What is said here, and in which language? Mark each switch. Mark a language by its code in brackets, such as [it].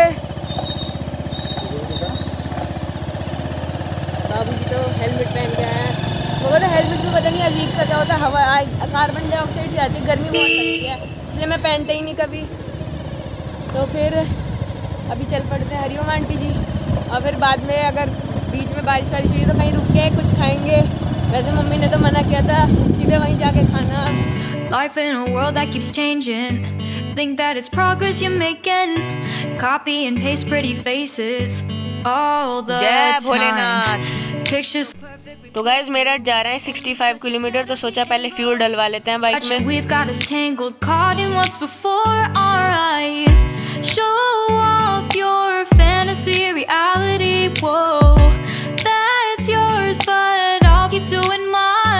[hi] बाबूजी तो हेलमेट पहन के आए, वो कहते हेलमेट में पता नहीं अजीब सा क्या होता है, हवा कार्बन डाइऑक्साइड से आती है, गर्मी बहुत लगती है, इसलिए मैं पहनते ही नहीं कभी। तो फिर अभी चल पड़ते हैं हरिओम आंटी जी, और फिर बाद में अगर बीच में बारिश वारिश हुई तो कहीं रुक के कुछ खाएंगे। वैसे मम्मी ने तो मना किया था, सीधे वहीं जाके खाना। [en] Life in a world that keeps changing. Think that it's progress you're making. Copy and paste pretty faces all the time. [hi] जय भोलेनाथ। [en] Pictures. [hi] तो गाइस मेरठ जा रहे हैं 65 किलोमीटर, तो सोचा पहले फ्यूल डलवा लेते हैं बाइक में। [en] We've got us tangled, caught in what's before our eyes. Show off your fantasy reality. Whoa, that's yours, but I'll keep doing mine.